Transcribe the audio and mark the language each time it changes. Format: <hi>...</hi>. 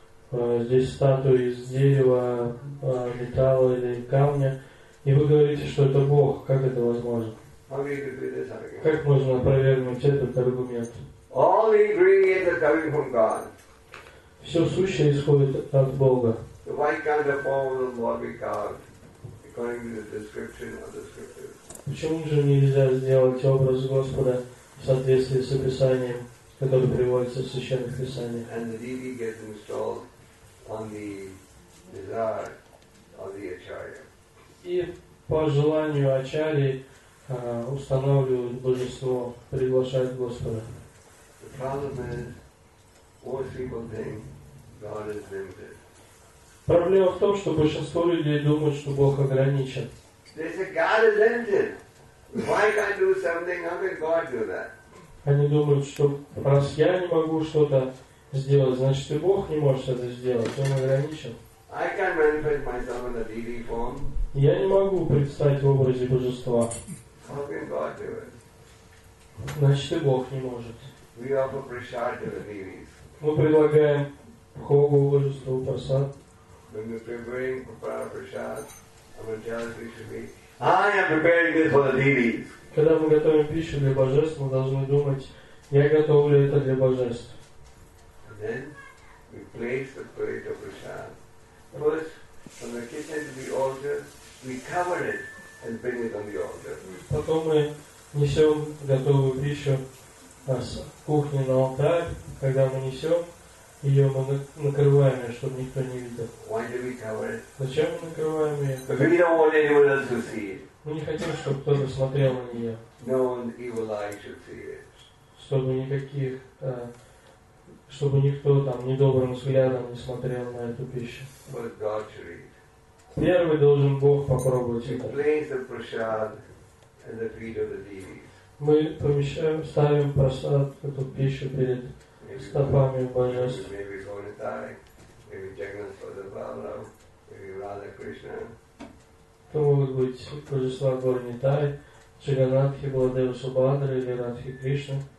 <ru>Вот здесь статуя из дерева, металла или камня. И вы говорите, что это Бог. Как это возможно? Как можно опровергнуть этот аргумент?</ru> <en>All the ingredients are coming from God.</en> <ru>Все сущее исходит от Бога.</ru> <en>Why can't the power of God be carved according to the description of the scriptures?</en> <ru>Почему же нельзя сделать образ Господа в соответствии с описанием, которое приводится в Священных Писаниях?</ru> <en>And the deity gets installed on the desire of the acharya.</en> <ru>И по желанию ачарьи устанавливают божество, приглашают Господа.</ru> <en>The problem is, most people think God is limited.</en> <ru>Проблема в том, что большинство людей думают, что Бог ограничен.</ru> <en>They say God is limited. Why can't do something? How can God do that?</en> <ru>Они думают, что раз я не могу что-то сделать, значит и Бог не может это сделать. Он ограничен.</ru> <en>I can manifest myself in a deity form.</en> <ru>Я не могу предстать в образе божества.</ru> <en>How can God do it?</en> <ru>Значит и Бог не может.</ru> <en>We offer prasad to the deities.</en> <ru>Мы предлагаем Богу божеству прасад.</ru> <en>When we prepare prasad, our mentality should be, I am preparing this for the deities.</en> <ru>Когда мы готовим пищу для божеств, мы должны думать, я готовлю это для божеств.</ru> <en>And then we place the plate of prasad. First, from the kitchen to the altar, we cover it and bring it on the altar.</en> <ru>Потом мы несем готовую пищу с кухни на алтарь. Когда мы несем ее, мы накрываем ее, чтобы никто не видел.</ru> <en>Why do we cover it?</en> <ru>Зачем мы накрываем ее?</ru> <en>Because we don't want anyone else to see it.</en> <ru>Мы не хотим, чтобы кто-то смотрел на нее.</ru> <en>No one evil eye should see it.</en> <ru>Чтобы никаких, чтобы никто там недобрым взглядом не смотрел на эту пищу.</ru> <en>But God should eat.</en> <ru>Первый должен Бог попробовать это.</ru> <en>Place the prasad at the feet of the deities.</en> <ru>Мы помещаем, ставим прасад, эту пищу перед стопами божеств.</ru> <en>Maybe Gaudiya, maybe Jagannatha Balarama, maybe Radha Krishna.</en> <ru>Это могут быть божества Гори Нитай, Джаганатхи, Баладева Субхадра или Радхи Кришна.</ru>